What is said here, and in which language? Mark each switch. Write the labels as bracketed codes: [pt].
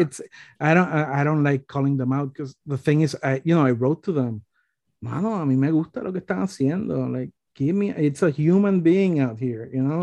[en] It's, I don't like calling them out because the thing is, I wrote to them. [es] Mano, a mí me gusta lo que están haciendo. [en] Like, give me, it's a human being out here, you know?